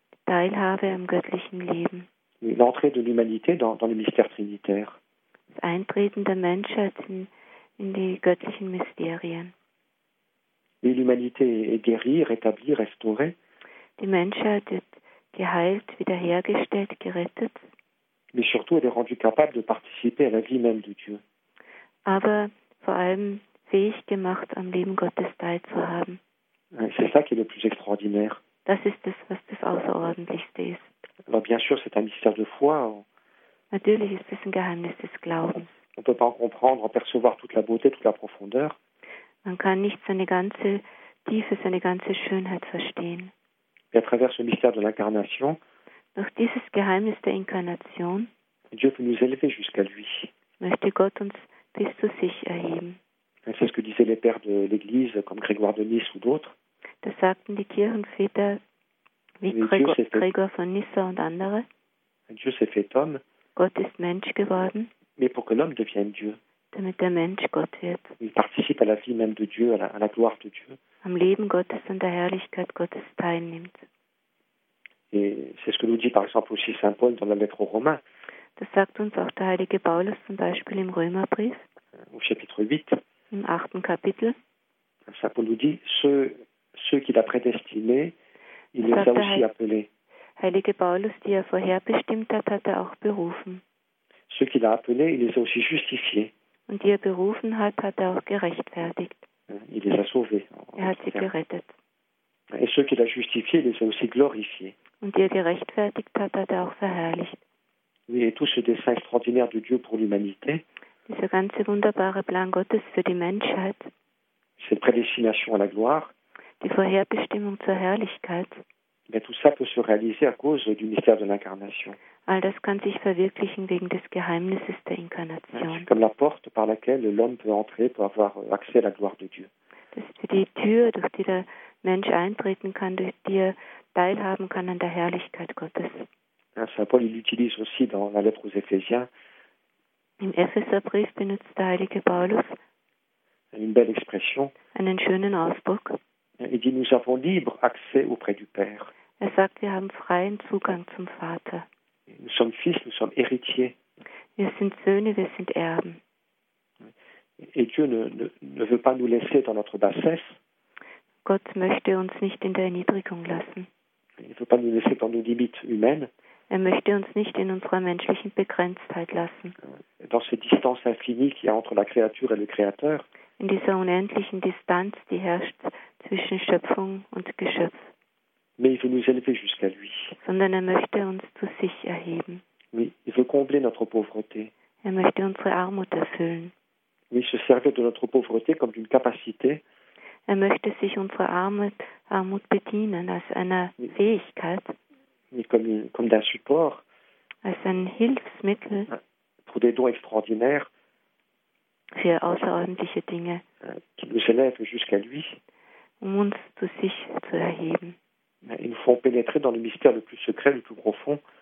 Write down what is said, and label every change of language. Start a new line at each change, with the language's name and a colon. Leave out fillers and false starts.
German: Teilhabe am göttlichen Leben.
French: L'entrée de l'humanité dans le mystère trinitaire.
German: Das Eintreten der Menschheit in die göttlichen Mysterien.
French: Et l'humanité est guérie, rétablie, restaurée.
German: Die Menschheit wird geheilt, wiederhergestellt, gerettet.
French: Mais surtout, elle est rendue capable de participer à la vie même de Dieu.
German: Aber vor allem fähig gemacht, am Leben Gottes teilzuhaben.
French: C'est ça qui est le plus extraordinaire.
German: Das ist das, was das Außerordentlichste ist.
French: Alors bien sûr, c'est un mystère de foi.
German: Natürlich ist es ein Geheimnis des Glaubens.
French: On ne peut pas en comprendre, en percevoir toute la beauté, toute la profondeur.
German: Man kann nicht seine ganze Tiefe, seine ganze Schönheit verstehen.
French: Et à travers ce mystère de l'incarnation,
German: durch dieses Geheimnis der Inkarnation,
French: Dieu peut nous élever jusqu'à lui.
German: Möchte Gott uns bis zu sich erheben.
French: C'est ce que disaient les pères de l'Église, comme Grégoire de Nyssa ou d'autres.
German: Das sagten die Kirchenväter, wie Gregor von Nyssa und andere.
French: Dieu s'est fait homme.
German: Gott ist Mensch geworden.
French: Mais pour que l'homme devienne Dieu.
German: Damit der Mensch Gott wird.
French: Il participe à la vie même de Dieu, à la gloire de Dieu.
German: Am Leben Gottes und der Herrlichkeit Gottes teilnimmt.
French: Et c'est ce que nous dit par exemple aussi Saint Paul dans la lettre aux Romains.
German: Das sagt uns auch der heilige Paulus zum Beispiel im Römerbrief.
French: Au chapitre 8.
German: Im achten Kapitel.
French: Saint Paul nous dit, ceux qu'il a prédestinés, il les a aussi appelés.
German: Heilige Paulus, die vorherbestimmt hat, hat auch berufen.
French: Ceux qu'il a appelés, il les a aussi justifiés.
German: und die er berufen hat, hat er auch gerechtfertigt.
French: Il les a sauvés.
German: Er hat sie gerettet.
French: Et ceux qu'il a justifiés, les a aussi glorifiés.
German: Und die er gerechtfertigt hat, hat er auch verherrlicht.
French: Oui, et tout ce dessein extraordinaire de Dieu pour l'humanité.
German: Dieser ganze wunderbare Plan Gottes für die Menschheit.
French: Cette prédestination à la gloire.
German: Die Vorherbestimmung zur Herrlichkeit.
French: Mais tout ça peut se réaliser à cause du mystère de l'incarnation.
German: All das kann sich verwirklichen wegen des Geheimnisses der Inkarnation.
French: C'est comme la porte par laquelle l'homme peut entrer pour avoir accès à la gloire de Dieu.
German: Das ist wie die Tür, durch die der Mensch eintreten kann, durch die er teilhaben kann an der Herrlichkeit Gottes.
French: Saint Paul l'utilise aussi dans la lettre aux Éphésiens.
German: Im Epheserbrief benutzt der heilige Paulus
French: une belle expression.
German: Einen schönen Ausdruck.
French: Il dit, nous avons libre accès auprès du Père.
German: Er sagt, wir haben freien Zugang zum Vater.
French: Nous sommes fils, nous sommes héritiers.
German: Wir sind Söhne, wir sind Erben.
French: Et Dieu ne veut pas nous laisser dans notre bassesse.
German: Gott möchte uns nicht in der Erniedrigung lassen.
French: Il ne veut pas nous laisser dans nos limites humaines.
German: Er möchte uns nicht in unserer menschlichen Begrenztheit lassen.
French: Dans cette distance infinie qu'il y a entre la créature et le Créateur.
German: In dieser unendlichen Distanz, die herrscht zwischen Schöpfung und Geschöpf.
French: Mais il veut nous élever jusqu'à lui.
German: Sondern er möchte uns zu sich erheben.
French: Oui, il veut combler notre pauvreté.
German: Er möchte unsere Armut erfüllen.
French: Oui, se servir de notre pauvreté comme d'une capacité.
German: Er möchte sich unsere Armut bedienen als einer Fähigkeit.
French: Oui, comme d'un support.
German: Als ein Hilfsmittel.
French: Pour des dons extraordinaires.
German: Für außerordentliche Dinge.
French: Qui nous élève jusqu'à lui.
German: Um uns zu sich zu erheben.
French: Ils nous font pénétrer dans le mystère le plus secret, le plus profond.